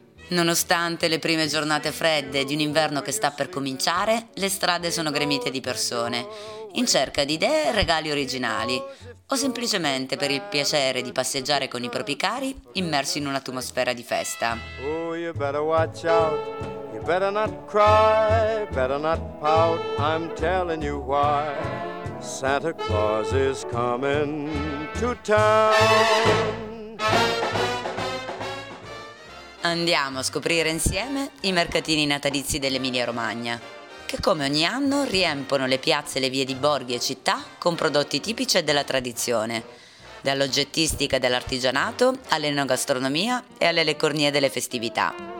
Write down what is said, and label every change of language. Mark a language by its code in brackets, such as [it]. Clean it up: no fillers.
[it] Nonostante le prime giornate fredde di un inverno che sta per cominciare, le strade sono gremite di persone, in cerca di idee e regali originali, o semplicemente per il piacere di passeggiare con i propri cari immersi in un'atmosfera di festa. [en] Oh, you better watch out. You better not cry, better not pout, I'm telling you why. Santa Claus is coming to town. [it] Andiamo a scoprire insieme i mercatini natalizi dell'Emilia Romagna, che come ogni anno riempono le piazze e le vie di borghi e città con prodotti tipici e della tradizione, dall'oggettistica e dall'artigianato all'enogastronomia e alle leccornie delle festività.